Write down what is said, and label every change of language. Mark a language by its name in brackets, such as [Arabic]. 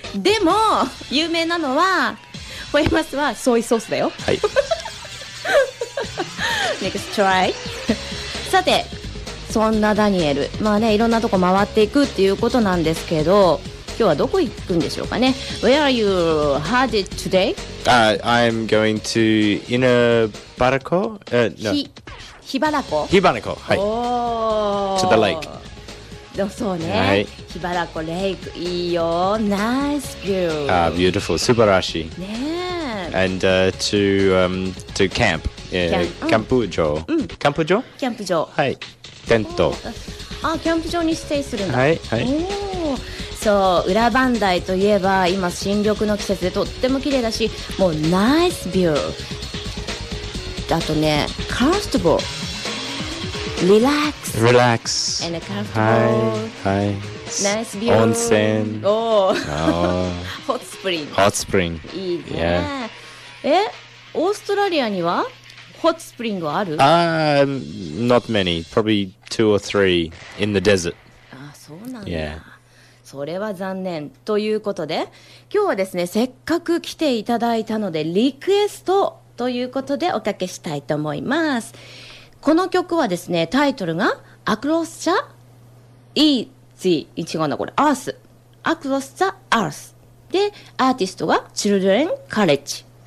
[Japanese] でも有名なのはフェイマスはソイソースだよ、はい。 [English] Next try. [Japanese] さてそんなダニエル、まあね、いろんなとこ回っていくっていうことなんですけど、今日はどこ行くんでしょうかね。 [English] Where are you headed today?、 I'm going to Inner Barako、 [Japanese] ヒバラコ、ヒバラコ、はい。おー、 [English] To the lake。 [Japanese] そうね、はい、ヒバラコレイク、いいよ。 [English] Nice view、 Beautiful、 [Japanese] 素晴らしい、ね。 [English] And、to camp、 [Japanese] キャンプ場、キャンプ場、キャンプ場、はい。テント。あ、キャンプ場にステイするんだ。はい、はい。お、そう、裏バンダイといえば今新緑の季節でとっても綺麗だし、もうナイスビュー、あとね、カンフォータブル、リラックス、リラックス、カンフォータブル、はい、ナイスビュー、温泉、おー、ホットスプリング、ホットスプリング、いいね、yeah. え、オーストラリアにはHot spring はある? [English] Not many. Probably two or three in the desert. [Japanese] あ、そうなんだ。Yeah. それは残念。ということで、今日はですね、せっかく来ていただいたので、リクエストということでおかけしたいと思います。この曲はですね、タイトルが Across the Easy 違うなこれ Earth Across the Earth で、アーティストが Children College。